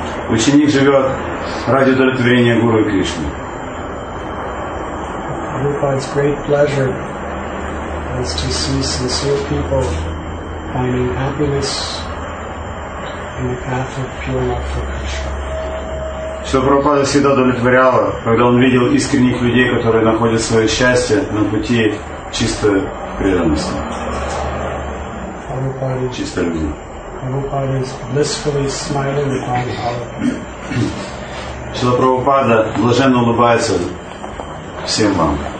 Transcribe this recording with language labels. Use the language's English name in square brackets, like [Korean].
[Russian] Ученик живет ради удовлетворения Гуру и Кришны. [English] Prabhupada's great pleasure is to see sincere people finding happiness in the path of pure love for Krishna. [Russian] Что Прабхупада всегда удовлетворяло, когда он видел искренних людей, которые находят свое счастье на пути чистой преданности. Чистой любви. [English] Prabhupada is blissfully smiling upon all of them. [Russian] Что Прабхупада блаженно улыбается всем вам.